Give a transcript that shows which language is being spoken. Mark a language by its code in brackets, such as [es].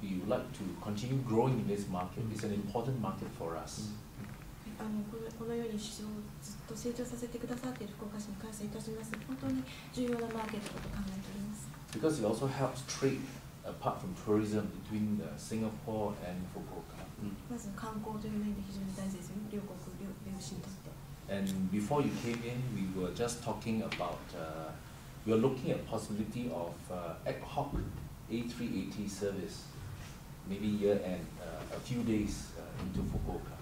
[en] We would like to continue growing in this market. It's an important market for us. [ja] このように市場をずっと成長させてくださっている福岡市に感謝いたします。本当に重要なマーケットと考えております。 [en] Because it also helps trade apart from tourism between Singapore and Fukuoka. [ja] まず観光という面で非常に大事ですよね。両国両市にとって。 [en] And before you came in, we were just talking about we were looking at possibility of ad hoc A380 service, maybe year end, a few days into Fukuoka.